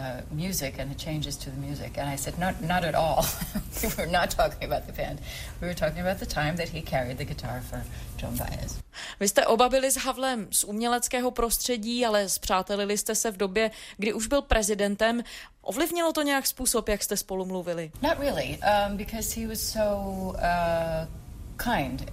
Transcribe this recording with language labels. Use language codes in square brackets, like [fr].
[en] Music and the changes to the music. And I said, not at all. We were not talking about the band. We were talking about the time that he carried the guitar for Joan Baez. [cs] Vy jste oba byli s Havlem z uměleckého prostředí, ale spřátelili jste se v době, kdy už byl prezidentem. Ovlivnilo to nějak způsob, jak jste spolu mluvili? [en] Not really, because he was so kind.